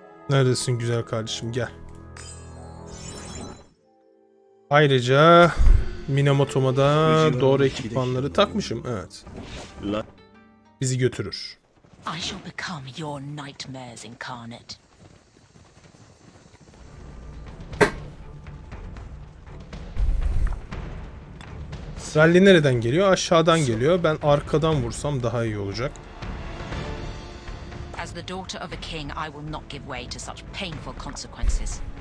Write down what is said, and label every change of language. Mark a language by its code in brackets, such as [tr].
[tr] Neredesin güzel kardeşim? Gel. Ayrıca Minamoto'ma da doğru ekipmanları takmışım. Evet. Bizi götürür. [en] I shall become your nightmares incarnate. [tr] Rally nereden geliyor? Aşağıdan geliyor. Ben arkadan vursam daha iyi olacak. [en] As the daughter of a king, I will not give way to such painful consequences.